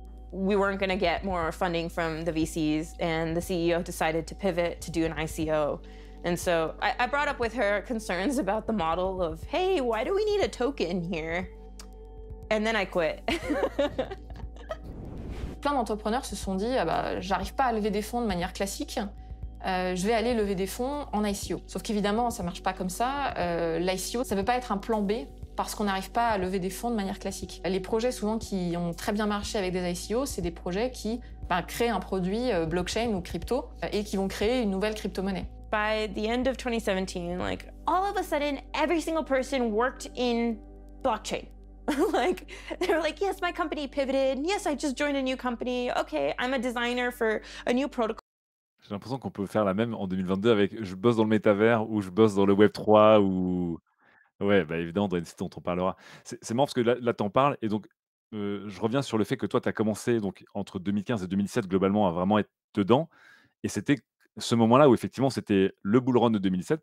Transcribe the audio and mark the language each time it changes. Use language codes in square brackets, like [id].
[en] We weren't going to get more funding from the VCs, and the CEO decided to pivot to do an ICO. And so I brought up with her concerns about the model of, hey, why do we need a token here? And then I quit. [fr] Plein d'entrepreneurs se sont dit, ah bah, j'arrive pas à lever des fonds de manière classique, je vais aller lever des fonds en ICO. Sauf qu'évidemment, ça marche pas comme ça. L'ICO, ça peut pas être un plan B parce qu'on n'arrive pas à lever des fonds de manière classique. Les projets souvent qui ont très bien marché avec des ICO, c'est des projets qui créent un produit blockchain ou crypto et qui vont créer une nouvelle crypto-monnaie. [en] By the end of 2017, like, all of a sudden, every single person worked in blockchain. Like, they were like, yes, my company pivoted. Yes, I just joined a new company. Okay, I'm a designer for a new protocol. [fr] J'ai l'impression qu'on peut faire la même en 2022 avec je bosse dans le métavers ou je bosse dans le Web 3 ou... Ouais, bah évidemment, dans une site, on en parlera. C'est marrant parce que là, t'en parles. Et donc, je reviens sur le fait que toi, t'as commencé donc, entre 2015 et 2017, globalement, à vraiment être dedans. Et c'était ce moment-là où effectivement, c'était le bull run de 2007.